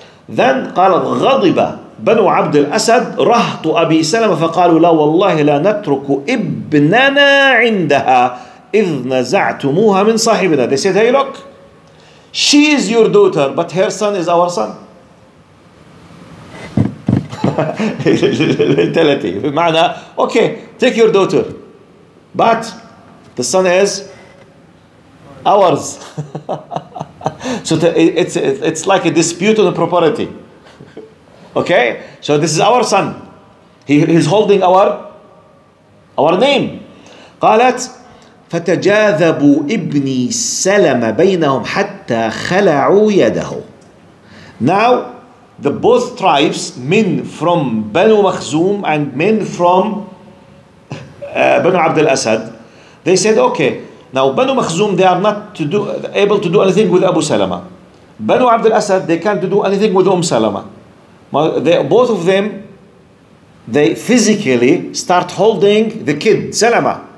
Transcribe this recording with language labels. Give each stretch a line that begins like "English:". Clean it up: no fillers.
English: Then
Arabic: قالت غضبة بنو عبد الأسد رهط أبي سلمة فقالوا لا والله لا نترك ابننا عندها إذ نزعتموها من صاحبنا.
English: They said, hey look, she is your daughter, but her son is our son. Mentality. بمعنى, okay, take your daughter, but the son is ours. So it's like a dispute on the property. Okay, so this is our son. He's holding our name.
Arabic: قالت فتجاذبوا ابني سلم بينهم حتى خلعوا يده. Now
English: the both tribes, men from Banu Makhzum and men from Banu Abd al-Asad, they said, okay, now Banu Makhzum, they are not to do, able to do anything with Abu Salama. Banu Abd al-Asad, they can't do anything with Salama. They, both of them, they physically start holding the kid, Salama.